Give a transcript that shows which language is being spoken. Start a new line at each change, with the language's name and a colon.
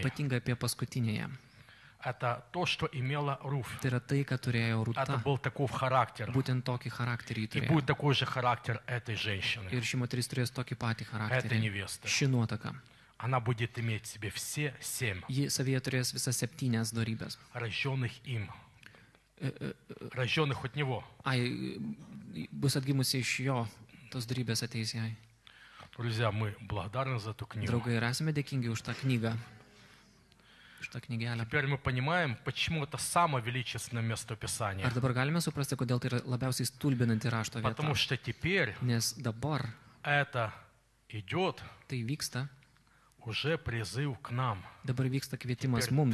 Lithuanian: Ypatingai apie paskutinėje.
Russian: Это то, что имела Руф.
Lithuanian: Tai yra tai, ką turėjo Rūta.
Russian: Это был такой характер.
Lithuanian: Būtent tokį charakterį ji turėjo.
Russian: И будет такой же характер этой женщины.
Lithuanian: Ir ši moteris turės tokį patį charakterį.
Russian: Этой невесты.
Lithuanian: Ši nuotaka.
Russian: Она будет иметь себе все семь.
Lithuanian: Ji savyje turės visas septynias dorybes.
Russian: Рожденных им. Рожденных от него.
Lithuanian: Ai, bus atgimusi iš jo, tos dorybės ateis jai.
Russian: Друзья, мы благодарны за эту книгу.
Lithuanian: Draugai, esame dėkingi už tą knygą. Už tą knygelę.
Russian: Теперь мы понимаем, почему это самое величественное место Писания.
Lithuanian: Ar dabar galime suprasti, kodėl tai yra labiausiai stulbinanti rašto vieta?
Russian: Потому что теперь
Lithuanian: Nes dabar
Russian: это идет
Lithuanian: tai vyksta
Russian: уже призыв к нам.
Lithuanian: Dabar vyksta kvietimas mums.